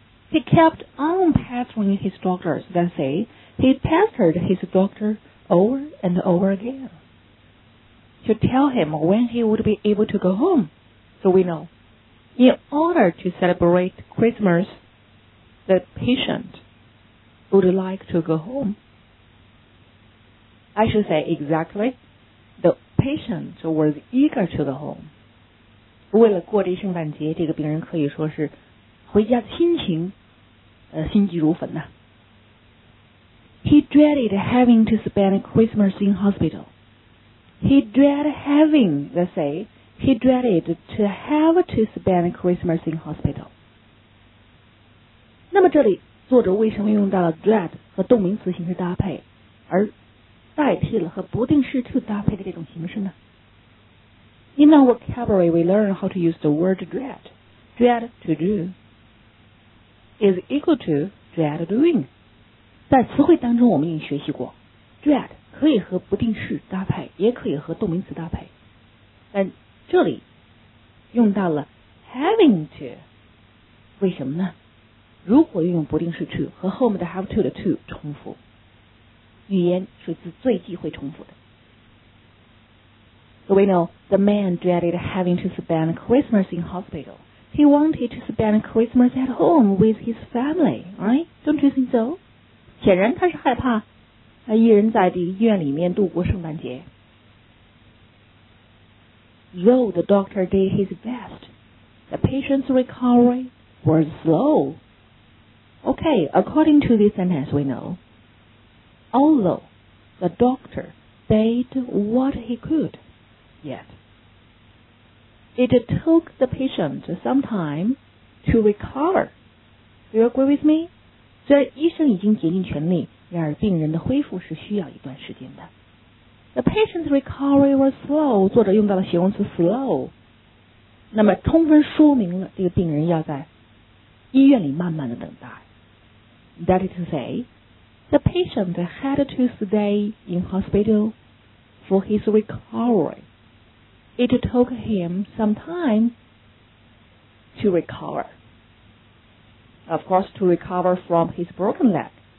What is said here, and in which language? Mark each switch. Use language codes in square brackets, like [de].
[en] He kept on pestering his doctors, then say,He pestered his doctor over and over again to tell him when he would be able to go home. So we know, in order to celebrate Christmas, the patient would like to go home. I should say exactly, the patient was eager to go home. [zh] 为了过这圣诞节，这个病人可以说是回家的心情，心急如焚呐。 [en] He dreaded having to spend Christmas in hospital. He dreaded to have to spend Christmas in hospital. [zh] 那么这里作者为什么用到了 dread 和动名词形式搭配，而代替了和不定式 to 搭配的这种形式呢？ [en] In our vocabulary, we learn how to use the word dread. Dread to do is equal to dread doing. [zh] 在词汇当中我们已经学习过 dread 可以和不定式搭配，也可以和动名词搭配，但这里用到了 having to， 为什么呢？如果运用不定式 to 和后面的 have to 的 to 重复，语言是最忌讳重复的。 [en] So we know the man dreaded having to spend Christmas in hospital. He wanted to spend Christmas at home with his family, right? Don't you think so? [zh] 显然他是害怕他一人在这个医院里面度过圣诞节。 [en] Though the doctor did his best, the patient's recovery was slow. Okay, according to this sentence we know, although the doctor did what he could, yet it took the patient some time to recover. Do you agree with me? [zh] 虽然医生已经竭尽全力，然而病人的恢复是需要一段时间的。 [en] The patient's recovery was slow. [zh] 作者用到了形容词 [en] slow. [zh] 那么充分说明了这个病人要在医院里慢慢的等待。 [en] That is to say, the patient had to stay in hospital for his recovery. It took him some time to recover. Of course, to recover from his broken leg.